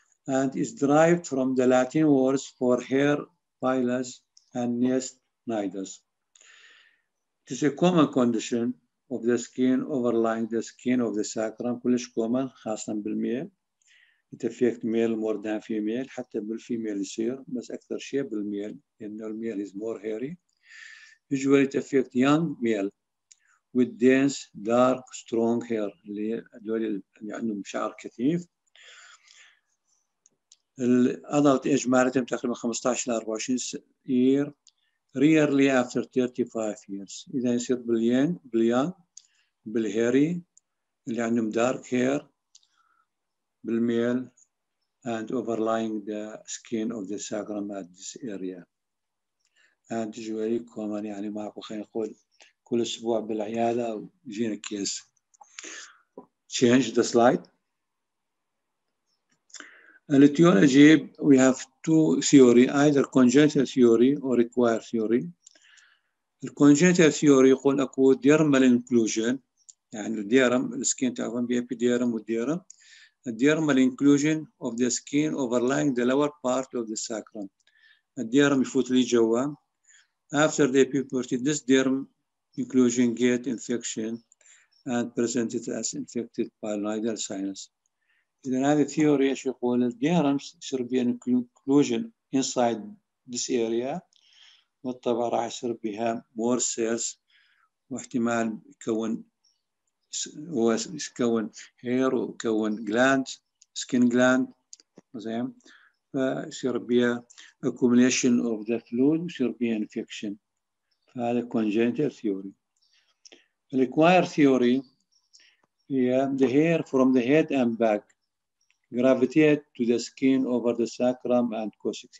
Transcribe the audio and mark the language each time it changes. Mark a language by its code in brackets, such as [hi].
[en] And is derived from the Latin words for hair, pilus, and nest nidus. It is a common condition of the skin overlying the skin of the sacrum. [ar] كلش [en] common [ar] خاصة بالميل. [en] It affects male more than female. [ar] حتى بالفيميل يصير بس أكثر شيء بالميل. لأنه [en] الميل is more hairy. Usually it affects young male with dense, dark, strong hair. [ar] اللي عندهم شعر كثيف. الأدلت إيج مارتهم تقريبا 15-24 سنة [en] rarely after 35 years. [ar] إذا يصير بليان [en] بالهيري [ar] اللي عندهم [en] dark hair بالميل and overlying the skin of the sacrum at this area. And usually common, [ar] يعني ما أقول خلينا نقول كل أسبوع بالعيادة ويجينا كيس. [en] Change the slide. Etiology, we have two theory, either congenital theory or acquired theory. Congenital theory [ar] يقول أكو [en] dermal inclusion, [ar] يعني الديرم السكين تعرفون بيه ديرم وديرم. [en] A dermal inclusion of the skin overlying the lower part of the sacrum. [ar] A derm يفوت لي جوا. [en] After the puberty, this derm inclusion get infection and present it as infected pyelonidal sinus. [ar] إذن هذه [en] theory [ar] إيش يقول؟ [en] The derms should be an inclusion inside this area. [ar] والطبع راح يصير بها [en] more cells [ar] واحتمال يكون هو يكون hair ويكون [en] glands skin gland [ar] زين فيصير بها [en] accumulation of the fluid [ar] ويصير بها infection. فهذا congenital theory. [en] Acquired theory هي the hair from the head and back gravitate to the skin over the sacrum and coccyx.